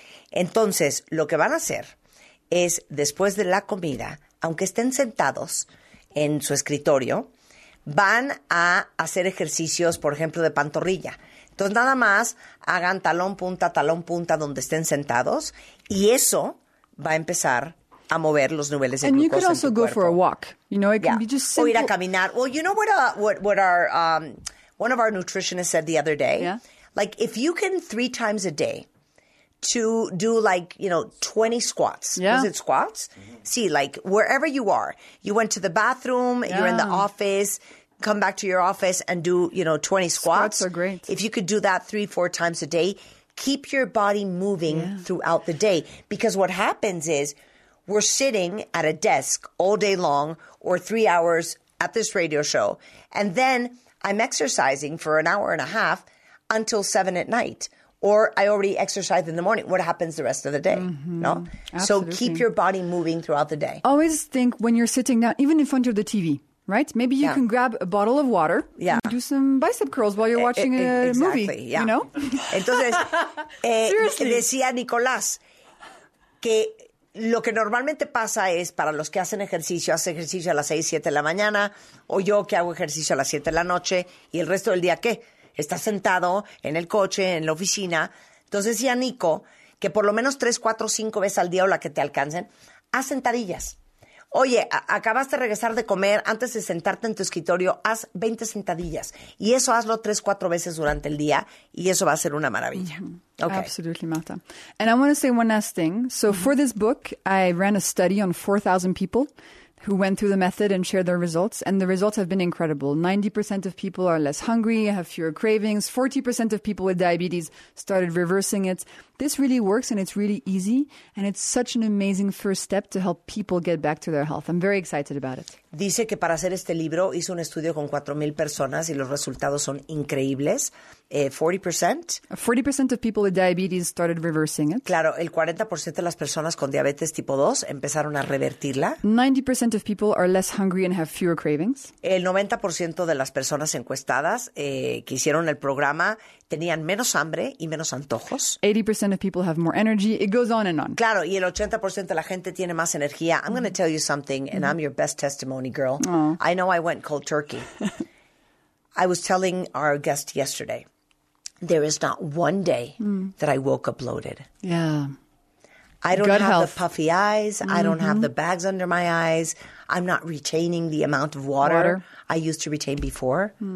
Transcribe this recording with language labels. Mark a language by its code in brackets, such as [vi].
[es] Entonces, lo que van a hacer es después de la comida, aunque estén sentados en su escritorio, van a hacer ejercicios, por ejemplo, de pantorrilla. Entonces, nada más hagan talón, punta, donde estén sentados. Y eso va a empezar a mover los niveles de glucosa en tu [en] cuerpo. And you could also go for a walk. You know, it can be just simple. [es] O ir a caminar. [en] Well, you know one of our nutritionists said the other day? Yeah. Like, if you can 3 times a day to do like, you know, 20 squats. Yeah. Is it squats? Mm-hmm. See, like, wherever you are. You went to the bathroom. Yeah. You're in the office. Come back to your office and do, you know, 20 squats. Squats are great. If you could do that 3-4 times a day, keep your body moving throughout the day. Because what happens is we're sitting at a desk all day long or 3 hours at this radio show. And then I'm exercising for an hour and a half until 7 at night. or I already exercised in the morning. What happens the rest of the day? Mm-hmm. No? Absolutely. So keep your body moving throughout the day. Always think when you're sitting down, even in front of the TV, right? Maybe you can grab a bottle of water and do some bicep curls while you're watching a movie. Exactly, you know? [es] Entonces, [en] seriously. [es] Decía Nicolás que lo que normalmente pasa es para los que hacen ejercicio, hace ejercicio a las 6, 7 de la mañana, o yo que hago ejercicio a las 7 de la noche, y el resto del día, ¿qué? Está sentado en el coche, en la oficina. Entonces decía Nico que por lo menos 3, 4, 5 veces al día o la que te alcancen, haz sentadillas. Oye, acabaste de regresar de comer, antes de sentarte en tu escritorio, haz 20 sentadillas. Y eso hazlo 3, 4 veces durante el día y eso va a ser una maravilla. [en] Mm-hmm. Okay. Absolutely, Marta. And I want to say one last thing. So for this book, I ran a study on 4,000 people who went through the method and shared their results. And the results have been incredible. 90% of people are less hungry, have fewer cravings. 40% of people with diabetes started reversing it. This really works and it's really easy. And it's such an amazing first step to help people get back to their health. I'm very excited about it. [es] Dice que para hacer este libro hizo un estudio con 4,000 personas y los resultados son increíbles. [en] 40% of people with diabetes started reversing it. [es] Claro, el 40% de las personas con diabetes tipo 2 empezaron a revertirla. [en] 90% of people are less hungry and have fewer cravings. [es] El 90% de las personas encuestadas que hicieron el programa tenían menos hambre y menos antojos. [en] 80% of people have more energy. It goes on and on. [es] Claro, y el 80% de la gente tiene más energía. [en] I'm going to tell you something, and I'm your best testimony, girl. Oh. I know I went cold turkey. I was telling our guest yesterday, there is not one day that I woke up bloated. Yeah. I don't Good have health. The puffy eyes. Mm-hmm. I don't have the bags under my eyes. I'm not retaining the amount of water I used to retain before.